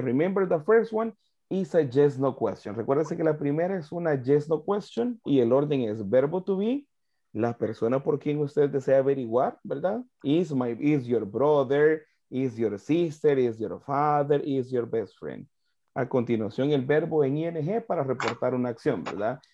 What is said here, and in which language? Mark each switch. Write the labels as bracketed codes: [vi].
[en] Remember, the first one is a yes, no question. [es] Recuérdese que la primera es una yes, no question y el orden es verbo to be, la persona por quien usted desea averiguar, ¿verdad? [en] Is your brother, is your sister, is your father, is your best friend. [es] A continuación, el verbo en ing para reportar una acción, ¿verdad?